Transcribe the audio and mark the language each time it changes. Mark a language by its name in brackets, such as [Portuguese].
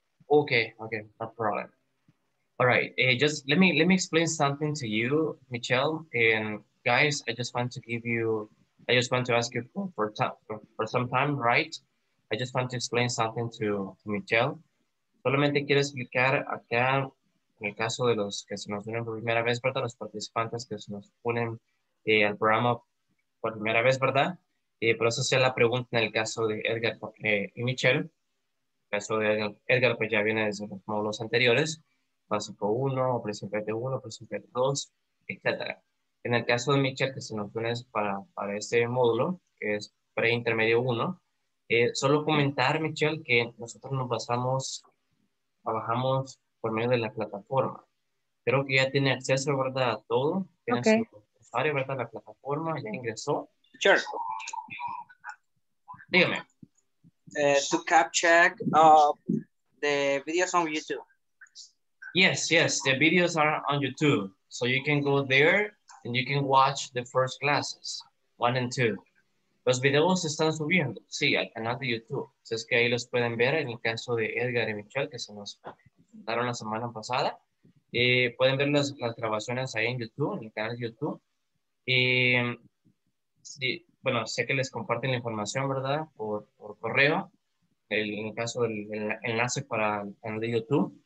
[English] Okay, no problem. All right, just let me explain something to you, Michelle. And guys, I just want to ask you for some time, right? I just want to explain something to Michelle. [Spanish] Solamente quiero explicar acá, en el caso de los que se nos unen por primera vez, ¿verdad? Los participantes que se nos unen al programa por primera vez, ¿verdad? Por eso hacía la pregunta en el caso de Edgar y Michelle. En el caso de Edgar, pues ya viene desde los módulos anteriores. Básico 1, principiante 1, principiante 2, etc. En el caso de Michelle, que se nos une para este módulo, que es pre-intermedio 1, solo comentar, Michelle, que nosotros nos basamos, trabajamos por medio de la plataforma. Creo que ya tiene acceso, ¿verdad?, a todo. Tiene [English] okay. [Spanish] Su usuario, ¿verdad?, la plataforma, ya ingresó. [English] Sure. [Spanish] Dígame. [English] To cap check of the videos on YouTube. Yes, yes, the videos are on YouTube. So you can go there and you can watch the first classes, 1 and 2. [Spanish] Los videos están subiendo, sí, al canal de YouTube. Así es que ahí los pueden ver en el caso de Edgar y Michelle, que se nos daron la semana pasada. Pueden ver las grabaciones ahí en YouTube, en el canal de YouTube. Sí, bueno, sé que les comparten la información, ¿verdad? Por correo, en el caso del enlace para el canal de YouTube.